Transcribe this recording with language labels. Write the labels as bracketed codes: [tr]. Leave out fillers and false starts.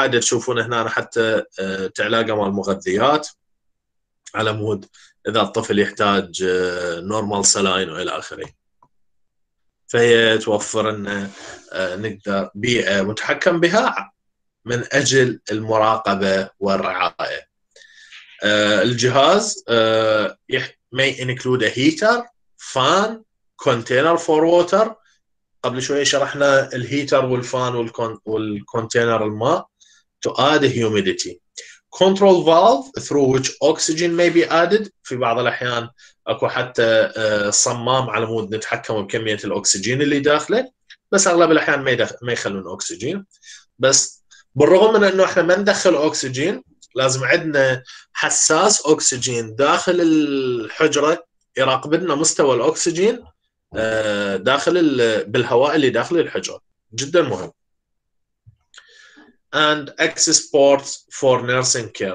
[ar] هاي دي تشوفون هنا حتى تعلاقة مع المغذيات على مود إذا الطفل يحتاج نورمال سلاين وإلى آخره. فهي توفر أن نقدر بيئة متحكم بها من أجل المراقبة والرعاية. [en] الجهاز may include a heater, fan, container for water. [ar] قبل شوية شرحنا الهيتر والفان والكونتينر الماء [en] to add humidity. Control valve through which oxygen may be added. [ar] في بعض الأحيان أكو حتى صمام على مود نتحكم بكمية الأكسجين اللي داخله، بس أغلب الأحيان ما يخلون أكسجين. بس بالرغم من أنه إحنا ما ندخل أكسجين، لازم عندنا حساس أكسجين داخل الحجرة يراقب لنا مستوى الأكسجين داخل بالهواء اللي داخل الحجرة، جدا مهم. [en] And access ports for nursing care.